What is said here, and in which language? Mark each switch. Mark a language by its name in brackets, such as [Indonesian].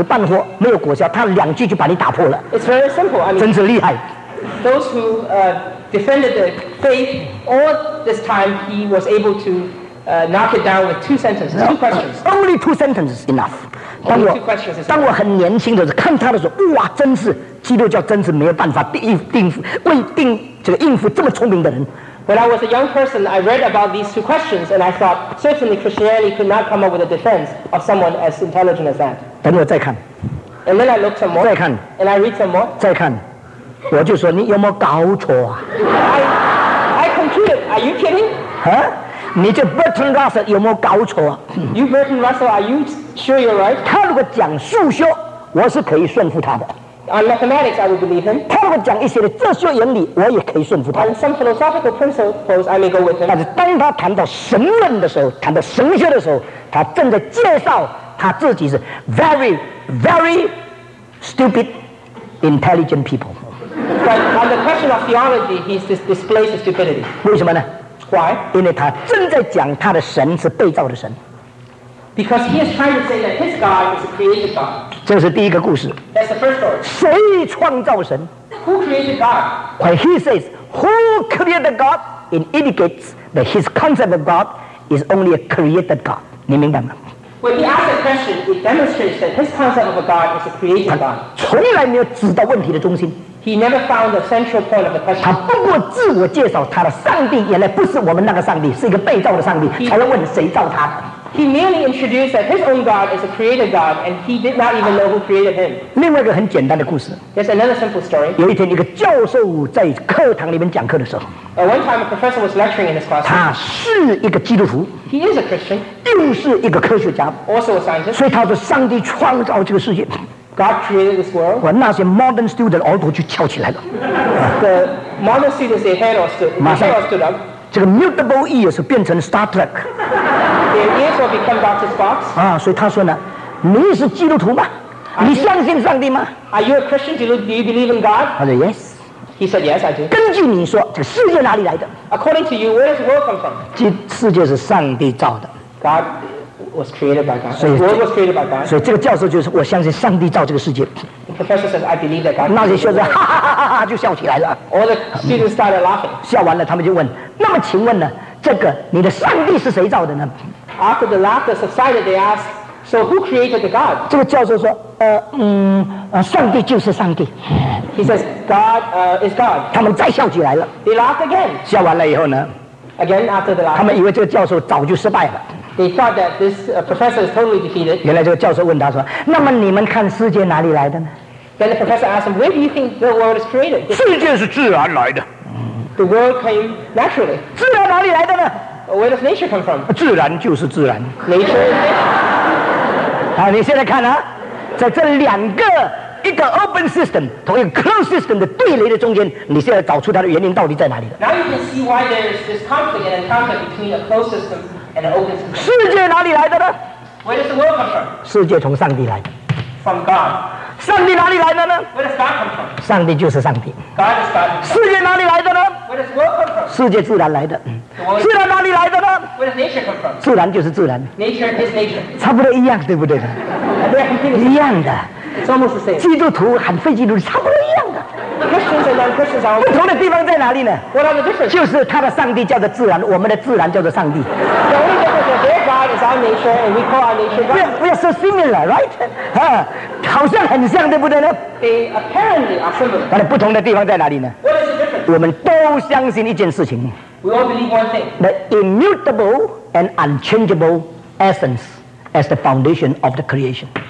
[Chinese] 很简单哈，人家传基督教传的半死半活，没有果效，他两句就把你打破了。 [English] It's very simple. I mean, [Chinese] 真是厉害。 [English] Those who defended the faith all this time, he was able to knock it down with two sentences, two questions. Only two sentences enough. [Chinese] 当我很年轻的时候，看他的时候，哇，真是基督教真是没有办法应付这么聪明的人。 [English] When I was a young person, I read about these two questions and I thought, certainly Christianity could not come up with a defense of someone as intelligent as that. [Chinese] 等我再看, [English] and then I looked some more. [Chinese] 再看, [English] and I read some more. [Chinese] 再看, 我就说, 你有没有搞错啊? [English] I concluded, are you kidding? [Chinese] Huh? 你就 Bertrand Russell 有没有搞错啊? [English] You Bertrand Russell, are you sure you're right? [Chinese] 他如果讲数学, 我是可以顺服他的。 [English] On mathematics, I would believe him. [Chinese] 他如果讲一些的哲学原理, 我也可以顺服他。 [English] On some philosophical principles, I may go with him. [Chinese] 但是当他谈到神论的时候, 谈到神学的时候, 他正在介绍他自己是 [English] very, very stupid, intelligent people. But on the question of theology, he's displays his stupidity. [Chinese] 为什么呢? [English] Why? [Chinese] 因为他正在讲他的神是被造的神。 [English] Because he is trying to say that his God is a created God. [Chinese] 这是第一个故事。 [English] That's the first story. [Chinese] 谁创造神? [English] Who created God? When he says, who created God? It indicates that his concept of God is only a created God. [Chinese] 你明白吗? [English] When he asks a question, it demonstrates that his concept of a God is a created God. [Chinese] 从来没有指到问题的中心。 [English] He never found the central point of the question. [Chinese] 他不过自我介绍他的上帝原来不是我们那个上帝，是一个被造的上帝，才要问谁造他的。 [English] He merely introduced that his own God is a creator God, and he did not even know who created him. [Chinese] 另外一个很简单的故事, [English] there's another simple story. [Chinese] 有一天一个教授在课堂里面讲课的时候, [English] one time a professor was lecturing in his classroom. [Chinese] 他是一个基督徒, [English] he is a Christian. [Chinese] 又是一个科学家, [English] also a scientist. [Chinese] 所以他说上帝创造这个世界, [English] God created this world. [Chinese] 那些 [English] modern student [Chinese] 耳朵就翘起来了, [English] the modern students, their head all stood, up. [Chinese] 这个 [English] mutable ears [Chinese] 变成 Star Trek. [English] Their ears will become Dr. Spock. [Chinese] 所以他说呢, 你是基督徒吗? 你相信上帝吗? [English] Are you a Christian? Do you believe in God? [Chinese] 他说 yes. [English] He said yes, I do. [Chinese] 根据你说, 这个世界哪里来的? [English] According to you, where does the world come from? [Chinese] 这世界是上帝造的。 [English] God was created by God. 所以, the world was created by God. [Chinese] 所以这个教授就是, 我相信上帝造这个世界。 [English] Professor says, I believe that God. [Chinese] 笑完了他们就问, 那么请问呢, 这个你的上帝是谁造的呢? [English] After the laughter subsided, they asked, so who created the God? [Chinese] 这个教授说, 上帝就是上帝。 [English] He says, God is God. [Chinese] 他们再笑起来了。 [English] They laughed again. [Chinese] 笑完了以后呢, [English] again after the laughter. [Chinese] 他们以为这个教授早就失败了。 [English] They thought that this professor is totally defeated. [Chinese] 原来这个教授问他说, 那么你们看世界哪里来的呢? [English] Then the professor asked him, where do you think the world is created? [Chinese] 世界是自然来的。 [English] The world came naturally. [Chinese] 自然哪里来的呢? [English] Where does nature come from? [Chinese] 自然就是自然。 [English] Nature is nature. [Chinese] 你现在看啊, 在这两个, 一个 open system 同一个 closed system 的对垒的中间, 你现在找出它的原因到底在哪里了。 [English] Now you can see why there is this conflict and encounter between a closed system and an open system. [Chinese] 世界哪里来的呢? [English] Where does the world come from? [Chinese] 世界从上帝来的。 [English] From God. [Chinese] 上帝哪里来的呢? [English] Where does God come from? [Chinese] 上帝就是上帝。 [English] God is God. [Chinese] 世界哪里来的呢? [English] Where does world come from? [Chinese] 世界自然来的。自然哪里来的呢? [English] Where does nature come from? [Chinese] 自然就是自然。 [English] Nature is nature. [Chinese] 差不多一样，对不对？一样的。 [English] It's almost the same. [Chinese] 基督徒和非基督徒差不多一样的。 [English] Christians and non-Christians are. [Chinese] 不同的地方在哪里呢? [English] What are the differences? [Chinese] 就是他的上帝叫做自然, 我们的自然叫做上帝。 [English] Our nature, and we call our nature God. We are so similar, right? [Chinese] 好像很像，对不对呢? [English] They apparently are similar. [Chinese] 不同的地方在哪里呢? [English] What is the difference? [Chinese] 我们都相信一件事情。 [English] We all believe one thing. The immutable and unchangeable essence as the foundation of the creation.